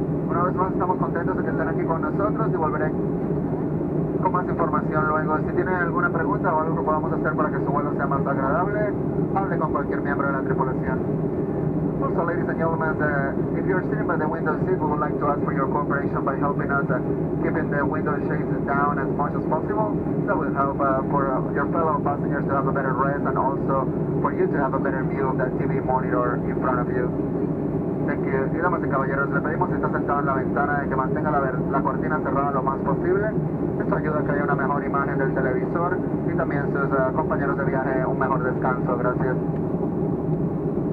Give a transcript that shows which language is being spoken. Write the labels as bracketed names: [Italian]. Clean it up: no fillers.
[Spanish] Una vez más, estamos contentos de que estén aquí con nosotros y volveré con más información luego. Si tienen alguna pregunta o algo que podamos hacer para que su vuelo sea más agradable, hable con cualquier miembro de la tripulación. [English] Also, ladies and gentlemen, if you're sitting by the window seat, we would like to ask for your cooperation by helping us keeping the window shades down as much as possible. That will help for your fellow passengers to have a better rest and also for you to have a better view of that TV monitor in front of you. Thank you. [Spanish] Y damas y caballeros, le pedimos si está sentado en la ventana de que mantenga la cortina cerrada lo más posible. Esto ayuda a que haya una mejor imagen del televisor y también sus compañeros de viaje un mejor descanso. Gracias.